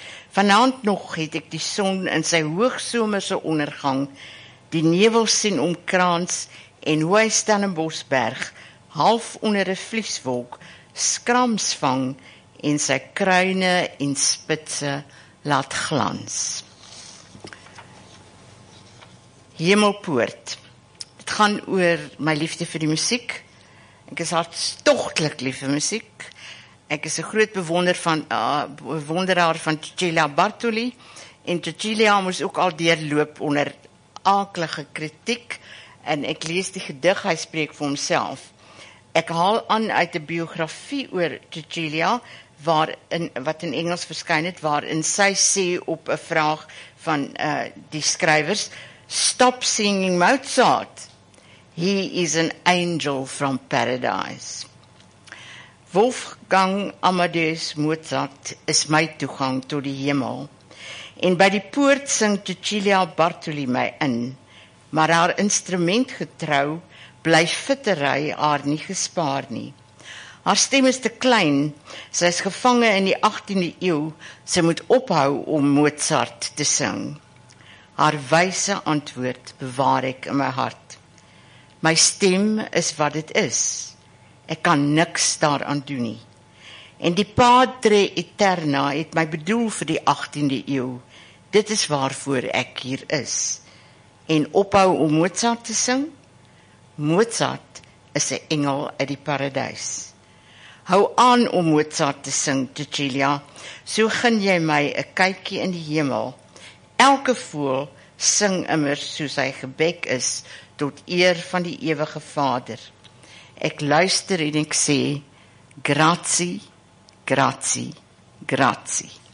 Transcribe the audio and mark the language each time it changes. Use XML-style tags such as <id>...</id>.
<af>Vanaand nog het ek die son in sy hoogsomerse ondergang, die nevel sien omkrans en hoe hy Stellenbosberg, half onder 'n vlieswolk, skrams vang en sy kruine en spitse laat glans. Hemelpoort. Dit gaan oor my liefde vir die muziek. Ek is hartstochtelik lief vir muziek. Ek is 'n groot bewonderaar van Cecilia Bartoli. En Cecilia moes ook al deurloop onder akelige kritiek. En ek lees die gedig, hy spreek vir homself. Ek haal aan uit die biografie oor Cecilia, wat in Engels verskyn het, waarin sy sê op 'n vraag van die skrywers,</af> <en>stop singing Mozart. He is an angel from paradise.</en> <af>Wolfgang Amadeus Mozart is my toegang tot die hemel. En by die poort sing Cecilia Bartoli my in, maar haar instrument getrou, bly fittery haar nie gespaar nie. Haar stem is te klein, sy is gevange in die 18de eeuw, sy moet ophou om Mozart te sing. Haar wyse antwoord bewaar ek in my hart. My stem is wat dit is. Ek kan niks daaraan doen nie. En die Padre Eterna het my bedoel vir die 18de eeuw. Dit is waarvoor ek hier is. En ophou om Mozart te sing? Mozart is 'n engel uit die paradys. Hou aan om Mozart te sing, Cecilia. So gun jy my 'n kykie in die hemel. Elke voël sing immers soos hy gebek is, tot eer van die ewige Vader. Ek luister en ek sê, grazie, grazie, grazie.</af>